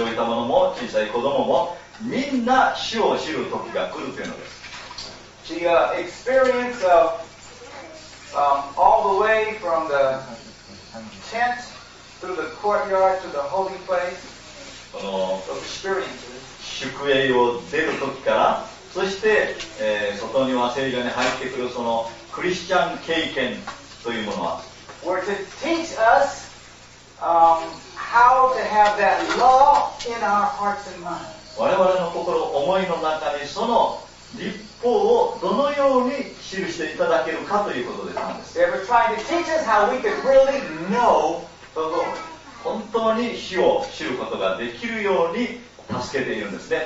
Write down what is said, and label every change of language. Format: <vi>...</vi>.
<ja>老いた者も小さい子供も、みんな主を知る時が来るというのです。</ja> <en>The experience of all the way from the tent through the courtyard to the holy place. Those experiences.</en> <ja>宿営を出る時から、そして、外には聖所に入ってくるそのクリスチャン経験というものは。</ja> <en>Were to teach us how to have that law in our hearts and minds.</en> <ja>我々の心、思いの中にその立法法をどのように記していただけるかということでなんです。</ja> <en>They were trying to teach us how we could really know the Lord.</en> <ja>本当に主を知ることができるように助けているんですね。</ja>